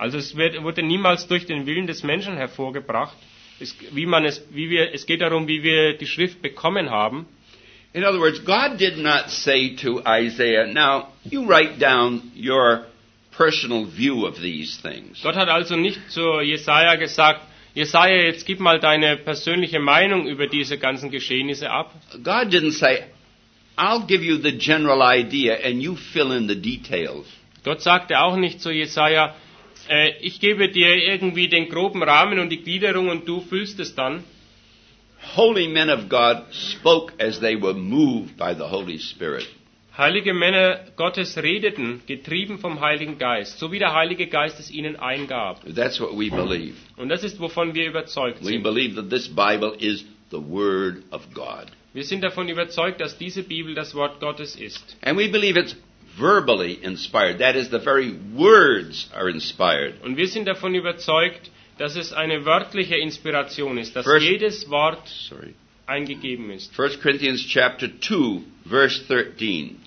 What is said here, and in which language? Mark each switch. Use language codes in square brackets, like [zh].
[de] Also es wurde niemals durch den Willen des Menschen hervorgebracht. Es geht darum, wie wir die Schrift bekommen haben. [en] In other words, God did not say to Isaiah, now you write down your personal view of these things. [de] Gott hat also nicht zu Jesaja gesagt, Jesaja, jetzt gib mal deine persönliche Meinung über diese ganzen Geschehnisse ab. [en] God didn't say, I'll give you the general idea and you fill in the details. [de] Gott sagte auch nicht zu Jesaja, ich gebe dir irgendwie den groben Rahmen und die Gliederung und du füllst es dann. [en] Holy men of God spoke as they were moved by the Holy Spirit. [de] Heilige Männer Gottes redeten, getrieben vom Heiligen Geist, so wie der Heilige Geist es ihnen eingab. [en] That's what we believe. [de] Und das ist, wovon wir überzeugt sind. [en] We believe that this Bible is the Word of God. [de] Wir sind davon überzeugt, dass diese Bibel das Wort Gottes ist. [en] And we believe it's verbally inspired. That is, the very words are inspired. [de] Und wir sind davon überzeugt, dass es eine wörtliche Inspiration ist, dass jedes Wort eingegeben ist. [en] 1. Corinthians chapter 2, verse 13.